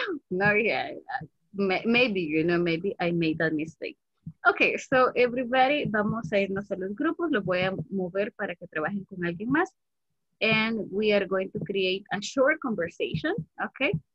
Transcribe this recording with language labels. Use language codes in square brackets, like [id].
[en] No, yeah, maybe, you know, maybe I made a mistake. [es] Okay, so everybody, vamos a irnos a los grupos. Los voy a mover para que trabajen con alguien más. [en] And we are going to create a short conversation, okay?